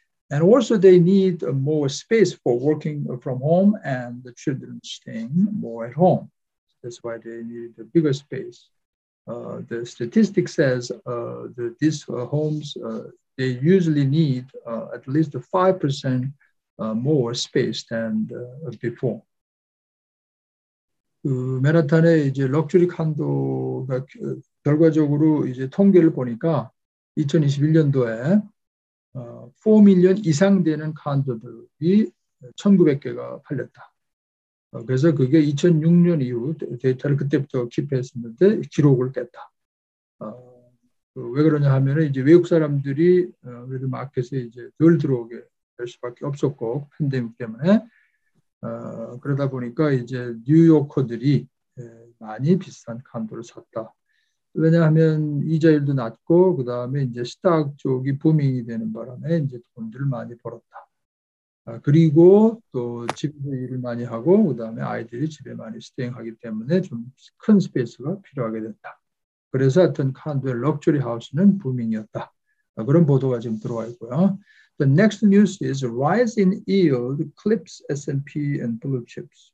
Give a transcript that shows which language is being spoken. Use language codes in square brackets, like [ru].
[en] And also they need more space for working from home and the children staying more at home. That's why they need a bigger space. The statistic says that these homes, they usually need at least 5% more space than before. [ko] 그 맨하탄의 이제 럭셔리 콘도가 결과적으로 이제 통계를 보니까 2021년도에 4밀리언 이상 되는 콘도들이 1,900개가 팔렸다. 그래서 그게 2006년 이후 데이터를 그때부터 킵했었는데 기록을 깼다. 왜 그러냐 하면은 이제 외국 사람들이 그래도 마켓에 이제 덜 들어오게 될 수밖에 없었고 팬데믹 때문에. 그러다 보니까 이제 뉴요커들이 많이 비싼 콘도를 샀다. 왜냐하면 이자율도 낮고 그 다음에 이제 스탁 쪽이 부밍이 되는 바람에 이제 돈들을 많이 벌었다. 그리고 또 집에서 일을 많이 하고 그 다음에 아이들이 집에 많이 스테잉하기 때문에 좀 큰 스페이스가 필요하게 됐다. 그래서 하여튼 콘도의 럭셔리 하우스는 부밍이었다. 그런 보도가 지금 들어와 있고요. [en] The next news is rise in yield clips S&P and blue chips.